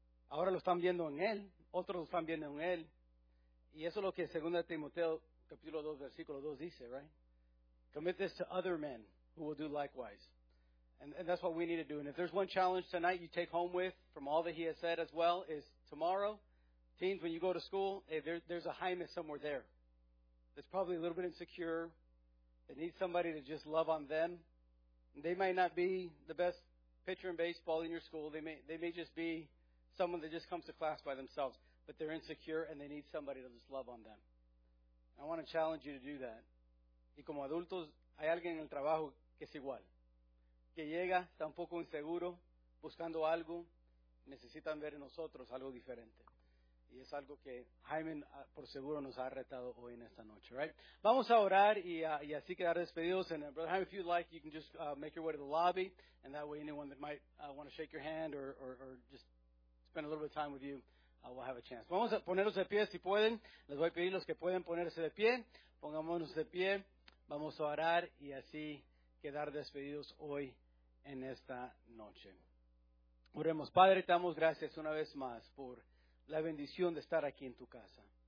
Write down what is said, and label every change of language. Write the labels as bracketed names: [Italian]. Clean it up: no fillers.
[Spanish] Ahora lo están viendo en él, otros lo están viendo en él. Y eso es lo que 2 Timoteo capítulo 2, versículo 2 dice, right? [English] Commit this to other men who will do likewise. And that's what we need to do. And if there's one challenge tonight you take home with from all that he has said as well is tomorrow, teens, when you go to school, hey, there's a Hyman somewhere there that's probably a little bit insecure, that needs somebody to just love on them. And they might not be the best pitcher in baseball in your school. They may just be someone that just comes to class by themselves, but they're insecure and they need somebody to just love on them. I want to challenge you to do that. [Spanish] Y como adultos, hay alguien en el trabajo que es igual. Que llega, está un poco inseguro, buscando algo, necesitan ver en nosotros algo diferente. Y es algo que Hyman, por seguro, nos ha retado hoy en esta noche, right? Vamos a orar y así quedar despedidos. [English] And Brother Hyman, if you'd like, you can just make your way to the lobby, and that way anyone that might want to shake your hand or just spend a little bit of time with you, we'll have a chance. [Spanish] Vamos a ponernos de pie, si pueden. Les voy a pedir los que pueden ponerse de pie. Pongámonos de pie. Vamos a orar y así quedar despedidos hoy en esta noche. Oremos. Padre, te damos gracias una vez más por la bendición de estar aquí en tu casa.